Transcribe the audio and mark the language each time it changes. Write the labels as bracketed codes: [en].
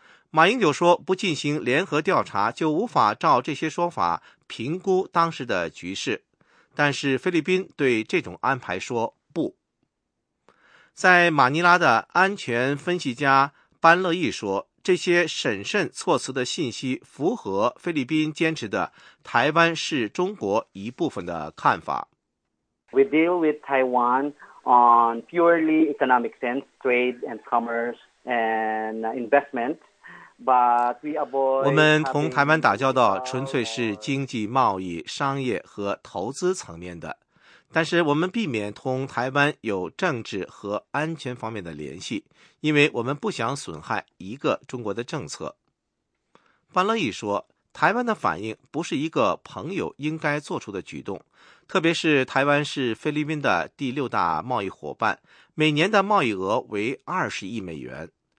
[zh] 马英九说，不进行联合调查就无法照这些说法评估当时的局势，但是菲律宾对这种安排说不。在马尼拉的安全分析家班乐义说，这些审慎措辞的信息符合菲律宾坚持的台湾是中国一部分的看法。 [en] We deal with Taiwan on purely economic sense, trade and commerce and investmentBut we avoid [zh] 我们同台湾打交道纯粹是经济贸易商业和投资层面的，但是我们避免同台湾有政治和安全方面的联系，因为我们不想损害一个中国的政策。班乐义说，台湾的反应不是一个朋友应该做出的举动，特别是台湾是菲律宾的第六大贸易伙伴，每年的贸易额为20亿美元。